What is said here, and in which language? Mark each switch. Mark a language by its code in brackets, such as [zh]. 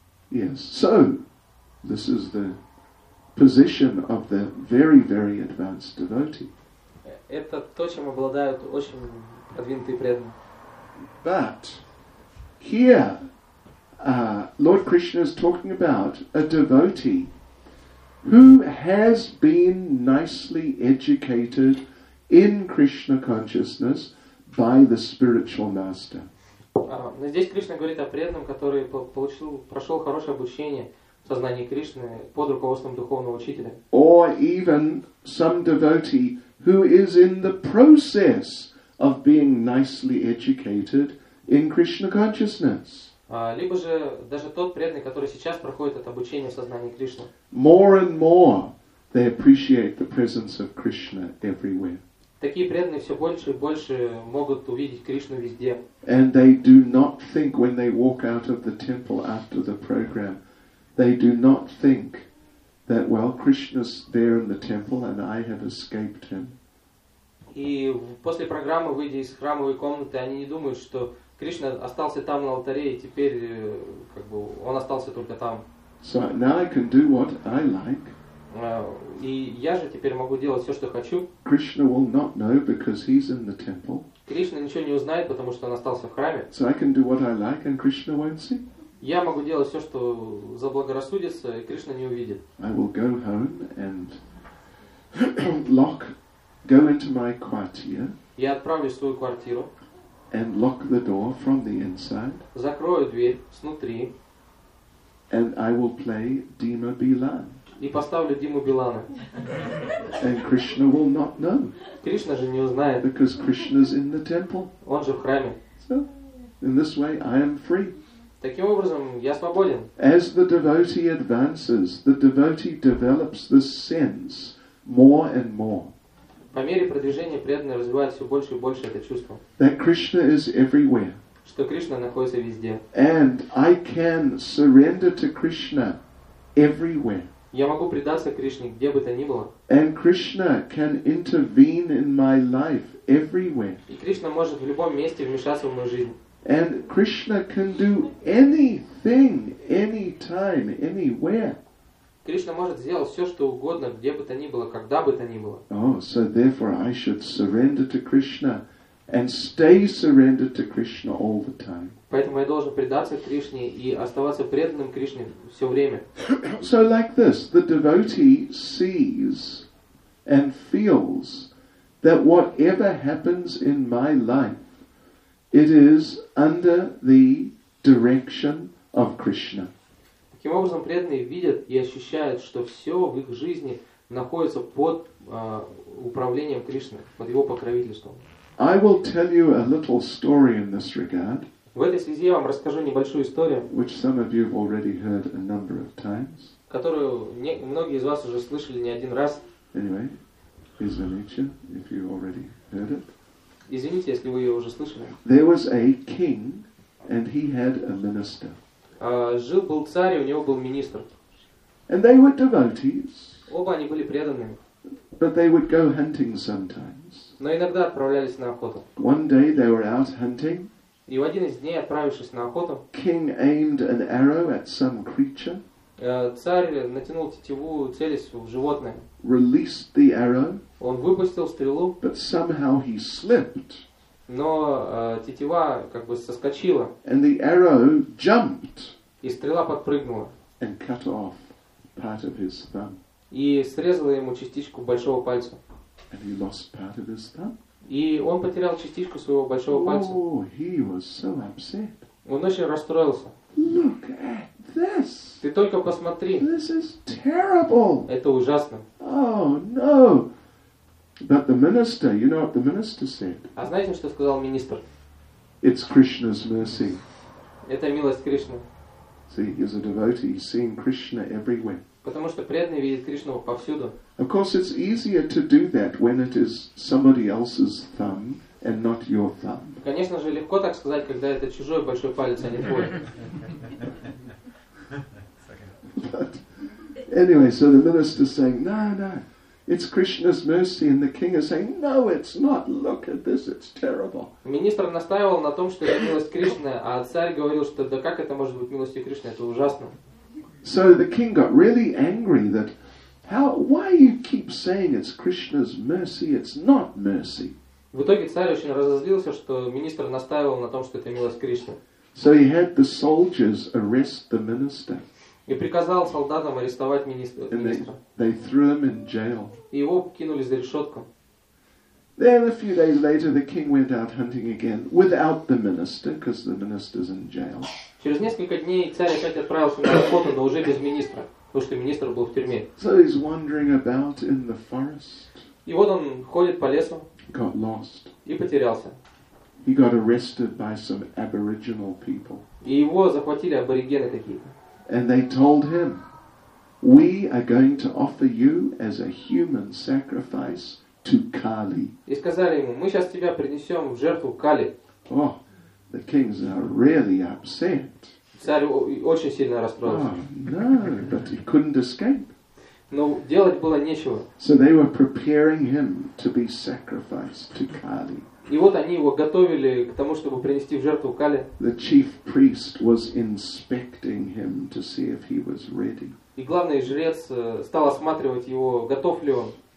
[en] Yes, so this is the position of the very, very advanced devotee. [ru] Это то, чем обладают очень продвинутые преданные. [en] But here Lord Krishna is talking about a devotee who has been nicely educated in Krishna consciousness by the spiritual master. [ru] Но здесь Кришна говорит о преданном, который получил, прошел хорошее обучение в сознании Кришны под руководством духовного учителя. [en] Or even some devotee who is in the process of being nicely educated in Krishna consciousness. [ru] Либо же даже тот преданный, который сейчас проходит это обучение в сознании Кришны. [en] More and more they appreciate the presence of Krishna everywhere. [ru] Такие преданные все больше и больше могут увидеть Кришну везде. [en] And they do not think when they walk out of the temple after the program, they do not think that, well, Krishna's there in the temple and I have escaped him. [ru] И после программы, выйдя из храмовой комнаты, они не думают, что Кришна остался там на алтаре и теперь как бы он остался только там. [en] So now I can do what I like. [ru] И я же теперь могу делать все, что хочу. [en] Krishna will not know because he's in the temple. [ru] Кришна ничего не узнает, потому что он остался в храме. [en] So I can do what I like and Krishna won't see. [ru] Я могу делать все, что заблагорассудится, и Кришна не увидит. [en] I will go home and lock, go into my quartier. [ru] Я отправлюсь в свою квартиру. [en] And lock the door from the inside. [ru] Закрою дверь снутри. [en] And I will play Dima Bilan. [ru] И поставлю Диму Билана. [en] And Krishna will not know. [ru] Кришна же не узнает. [en] Because Krishna's in the temple. [ru] Он же в храме. [en] So, in this way, I am free. [ru] Таким образом, я свободен. [en] As the devotee advances, the devotee develops this sense more and more. [ru] По мере продвижения преданный развивает все больше и больше это чувство. [en] That Krishna is everywhere. [ru] Что Кришна находится везде. [en] And I can surrender to Krishna everywhere. [ru] Я могу предаться Кришне, где бы то ни было. [en] And Krishna can intervene in my life everywhere. [ru] И Кришна может в любом месте вмешаться в мою жизнь. [en] And Krishna can do anything, anytime, anywhere. [ru] Кришна может сделать все, что угодно, где бы то ни было, когда бы то ни было. [en] Oh, so therefore I should surrender to Krishna and stay surrendered to Krishna all the time. [ru] Поэтому я должен предаться Кришне и оставаться преданным Кришне все время. [en] So like this, the devotee sees and feels that whatever happens in my life, it is under the direction of Krishna. [ru] Таким образом, преданные видят и ощущают, что все в их жизни находится под управлением Кришны, под его покровительством. [en] I will tell you a little story in this regard. [ru] В этой связи я вам расскажу небольшую историю, [en] which some of you have already heard a number of times. [ru] Которую многие из вас уже слышали не один раз. [en] Anyway, please mention if you already heard it. [ru] Извините, если вы ее уже слышали. [en] There was a king, and he had a minister. [ru] Жил был царь, и у него был министр. [en] And they were devotees. [ru] Оба они были преданными. [en] But they would go hunting sometimes. [ru] Но иногда отправлялись на охоту. [en] One day they were out hunting. [ru] И в один из дней, отправившись на охоту, [en] King aimed an arrow at some creature. [ru] Царь натянул тетиву, целясь в животное. [en] Released the arrow. [ru] Он выпустил стрелу. [en] But somehow he slipped. [ru] Но тетива как бы соскочила. [en] And the arrow jumped. [ru] И стрела подпрыгнула. [en] And cut off part of his thumb. [ru] И срезала ему частичку большого пальца. [en] And he lost part of his thumb. [ru] И он потерял частичку своего большого пальца. [en] Oh, he was so upset. [ru] Он очень расстроился. [en] Look at this. [ru] Ты только посмотри. [en] This is terrible. [ru] Это ужасно. [en] Oh, no. But the minister, you know what the minister said? [ru] А знаете, что сказал министр? [en] It's Krishna's mercy. [ru] Это милость Кришны. [en] See, as a devotee, he's seeing Krishna everywhere. [ru] Потому что преданный видит Кришну повсюду. [en] Of course, it's easier to do that when it is somebody else's thumb and not your thumb. [ru] Конечно же, легко так сказать, когда это чужой большой палец, а не твой. [en] But anyway, so the minister saying, "No, no, it's Krishna's mercy," and the king is saying, "No, it's not. Look at this; it's terrible." [ru] Министр настаивал на том, что это милость Кришны, а царь говорил, что да как это может быть милостью Кришны? Это ужасно. [en] So the king got really angry that why you keep saying it's Krishna's mercy, it's not mercy. [ru] В итоге царь очень разозлился, что министр настаивал на том, что это милость Кришны. [en] So he had the soldiers arrest the minister. [ru] И приказал солдатам арестовать министра. [en] And they threw him in jail. [ru] И его кинули за решетку. [en] Then a few days later, the king went out hunting again without the minister, because the minister's in jail. [ru] Через несколько дней царь опять отправился на охоту, но уже без министра, потому что министр был в тюрьме. [en] So he's wandering about in the forest. [ru] И вот он ходит по лесу. [en] Got lost. [ru] И потерялся. [en] He got arrested by some aboriginal people. [ru] И его захватили аборигены какие-то. [en] And they told him, "We are going to offer you as a human sacrifice to Kali." [ru] И сказали ему, мы сейчас тебя принесем в жертву Кали. [en] Oh, the kings are really upset. [ru] Царь очень сильно расстроился. [en] Oh, no, but he couldn't escape. [ru] Но делать было нечего. [en] So they were preparing him to be sacrificed to Kali. [ru] И вот они его готовили к тому, чтобы принести в жертву Кали. [en] The chief priest was inspecting him to see if he was ready. [ru] И главный жрец стал осматривать его, готов ли он.